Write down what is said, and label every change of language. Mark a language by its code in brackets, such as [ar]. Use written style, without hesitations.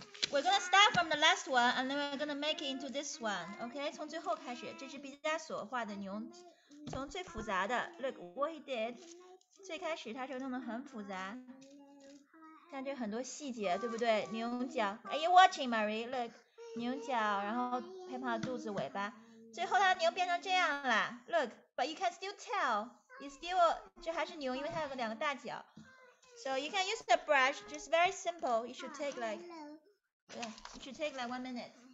[en] We're going to start from the last one, and then we're going to make it into this one, okay? [zh] 从最后开始，这是毕加索画的牛，从最复杂的。 [en] Look what he did. [zh] 最开始他就弄得很复杂。看这很多细节，对不对？牛角 ， Are you watching, Marie? Look，牛角，然后配上肚子、尾巴，最后它牛变成这样了。 [en] Look， but you can still tell， it's still 这还是牛，因为它有两个大角。 So you can use the brush， just very simple. It should take like， yeah， it should take like 1 minute.